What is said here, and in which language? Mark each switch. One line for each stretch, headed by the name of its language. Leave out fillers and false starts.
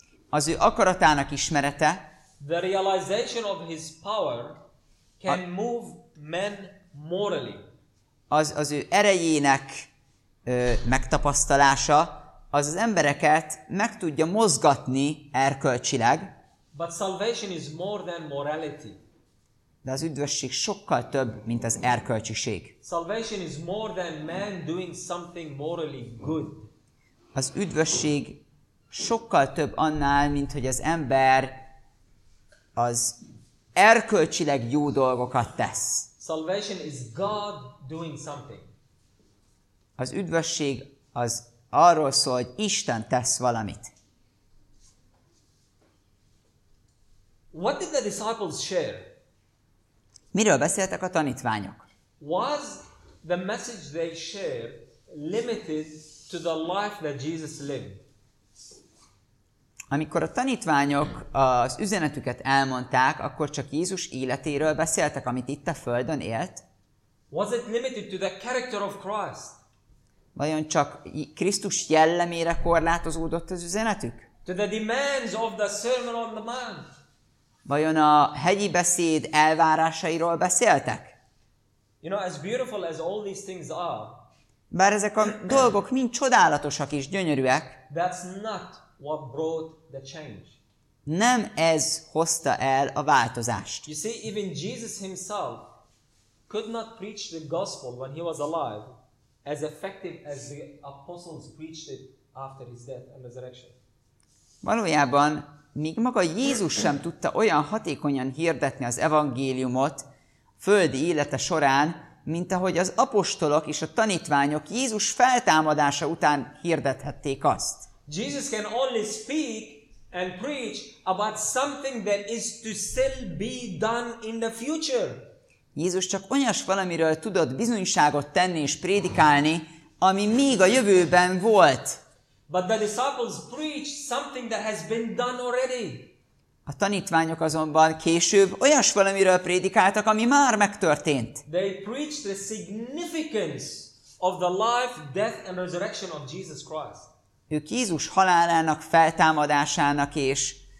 Hungarian: az ő akaratának ismerete,
English: the realization of his power can move men morally.
Hungarian: Az ő erejének megtapasztalása, az az embereket meg tudja mozgatni erkölcsileg.
English: But salvation is more than morality.
Hungarian: De az üdvösség sokkal több, mint az erkölcsiség.
English: Salvation is more than man doing something morally good.
Hungarian: Az üdvösség sokkal több annál, mint hogy az ember az erkölcsileg jó dolgokat tesz.
English: Salvation is God doing something.
Hungarian: Az üdvösség az arról szól, hogy Isten tesz valamit.
English: What did the disciples share?
Hungarian: Miről beszéltek a tanítványok?
English: Was the message they shared limited to the life that Jesus lived?
Hungarian: Amikor a tanítványok az üzenetüket elmondták, akkor csak Jézus életéről beszéltek, amit itt a Földön élt?
English: Was it limited to the character of Christ?
Hungarian: Vajon csak Krisztus jellemére korlátozódott az üzenetük?
English: To the demands of the Sermon on the Mount.
Hungarian: Vajon a hegyi beszéd elvárásairól beszéltek?
English: You know, as beautiful as all these things are,
Hungarian: bár ezek a dolgok mind csodálatosak és gyönyörűek,
English: that's not what brought the change.
Hungarian: Nem ez hozta el a változást.
English: You see, even Jesus himself could not preach the gospel when he was alive as effective as the apostles preached it after his death and resurrection.
Hungarian: Valójában még maga Jézus sem tudta olyan hatékonyan hirdetni az evangéliumot földi élete során, mint ahogy az apostolok és a tanítványok Jézus feltámadása után hirdethették azt.
English: Jesus can only speak and preach about something that is to still be done in the future.
Hungarian: Jézus csak olyas valamiről tudott bizonyságot tenni és prédikálni, ami még a jövőben volt.
English: But the disciples preached something that has been done already.
Hungarian: A tanítványok azonban később olyas valamiről prédikáltak, ami már megtörtént.
English: They preached the significance of the life, death and resurrection of Jesus Christ.
Hungarian: Ők Jézus halálának, feltámadásának és